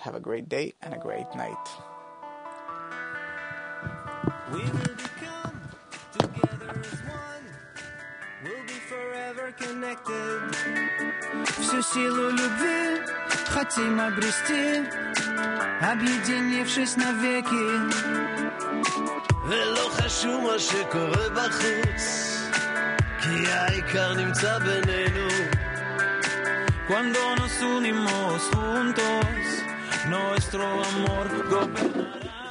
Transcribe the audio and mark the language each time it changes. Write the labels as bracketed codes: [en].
[en] Have a great day and a great night. We will become together as one. We'll be forever connected. [ru] Всю силу любви хотим обрести, объединившись навеки. [he] ולא חשוב מה שקורה בחוץ, כי העיקר נמצא בינינו. [es] Cuando nos unimos juntos, nuestro amor gobernará.